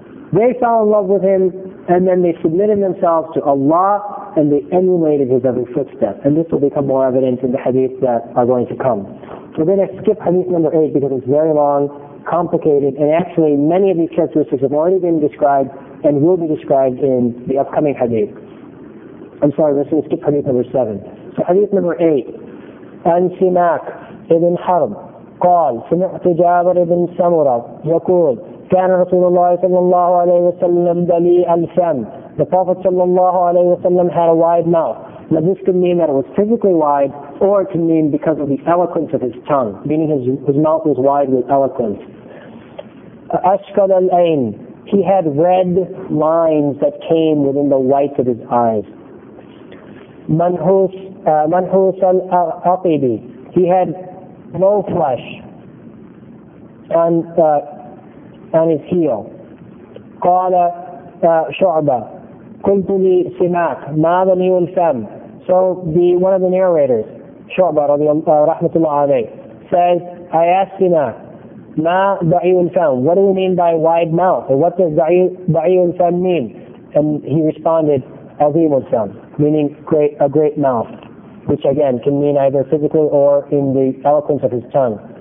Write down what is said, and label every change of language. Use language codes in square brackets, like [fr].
[en] They fell in love with him, and then they submitted themselves to Allah, and they emulated his every footstep. And this will become more evident in the hadith that are going to come. So we're going to skip hadith number 8 because it's very long, complicated, and actually many of these characteristics have already been described and will be described in the upcoming hadith. I'm sorry, we're going to skip hadith number 7. So hadith number 8, [ar] An-Simak ابن حرب قال سمعت جابر بن سمرة يقول كان رسول الله صلى الله عليه وسلم بليء الفم. [en] The Prophet صلى الله عليه وسلم had a wide mouth. Now this could mean that it was physically wide, or it could mean because of the eloquence of his tongue, meaning his mouth was wide with eloquence. [ar] أشكل العين. [en] He had red lines that came within the whites of his eyes. [ar] منحوس العقب. [en] He had low flesh on his heel. [ar] قال شعبة قلت لي سماك ما بني الفم. [en] So one of the narrators, شعبة رحمة الله عليه, says, I asked سماك [ar] ما بعي الفم. [en] What do we mean by wide mouth? Or what does [ar] بعي الفم [en] mean? And he responded, [ar] عظيم الفم, [en] meaning a great mouth, which again can mean either physically or in the eloquence of his tongue.